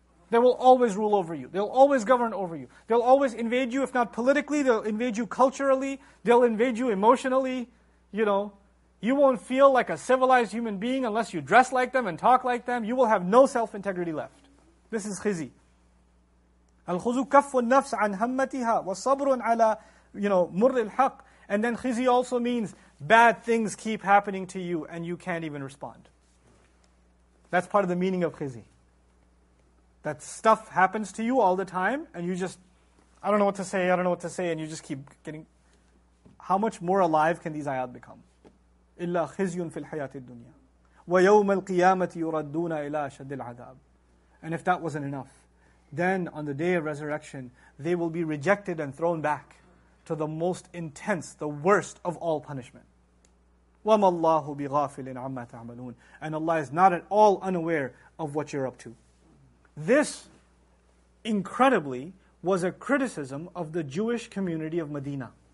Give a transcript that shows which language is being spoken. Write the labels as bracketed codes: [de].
[en] They will always rule over you. They'll always govern over you. They'll always invade you, if not politically, they'll invade you culturally, they'll invade you emotionally, you know. You won't feel like a civilized human being unless you dress like them and talk like them. You will have no self-integrity left. This is khizi. [ar] الخزو كف النفس عن همتها والصبر على [en] you know [ar] مر الحق. [en] And then khizi also means bad things keep happening to you and you can't even respond. That's part of the meaning of khizi. That stuff happens to you all the time and you just, I don't know what to say, and you just keep getting, how much more alive can these ayat become? [ar] إلا خزي في الحياة الدنيا ويوم القيامة يردون إلى أشد العذاب. [en] And if that wasn't enough, then on the day of resurrection, they will be rejected and thrown back to the most intense, the worst of all punishment. [ar] وَمَا اللَّهُ بِغَافِلٍ عَمَّا تَعْمَلُونَ. [en] And Allah is not at all unaware of what you're up to. This, incredibly, was a criticism of the Jewish community of Medina.